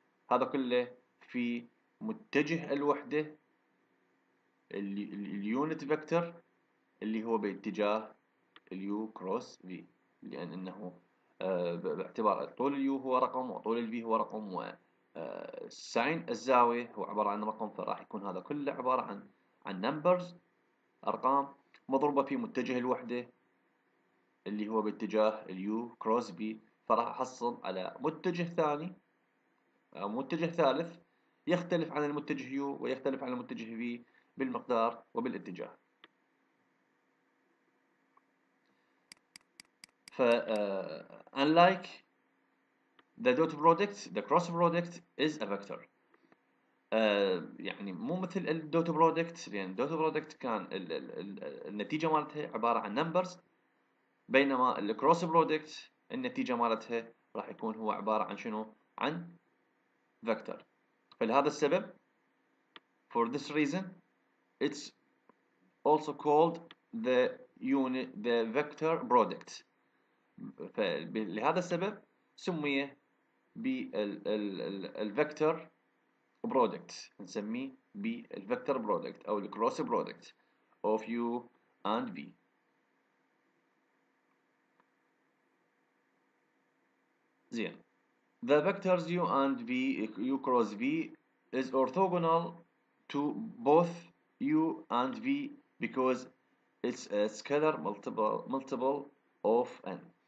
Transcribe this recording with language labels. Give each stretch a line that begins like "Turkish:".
Arabic: هذا كله في متجه الوحدة اليونت فيكتور اللي هو باتجاه اليو كروس في، لأن إنه باعتبار طول اليو هو رقم وطول الفي هو رقم وساين الزاوية هو عبارة عن رقم، فراح يكون هذا كله عبارة عن numbers أرقام مضروبة في متجه الوحدة اللي هو باتجاه اليو كروس في. فراح أحصل على متجه ثاني أو متجه ثالث يختلف عن المتجه يو ويختلف عن المتجه في بالمقدار وبالاتجاه.
English: ف unlike the dot product the cross product is a vector.
Arabic: يعني مو مثل الدوت برودكت، لان الدوت برودكت كان النتيجة مالتها عبارة عن numbers، بينما الكروس برودكت النتيجة مالتها راح يكون هو عبارة عن شنو؟ عن vector. فلهذا السبب
English: for this reason it's also called the unit the vector product.
Arabic: فلهذا السبب سمي بال vector product، نسميه بال vector product أو cross product of U and V.
English: زين، the vectors u and v u cross v is orthogonal to both u and v because it's a scalar multiple of n.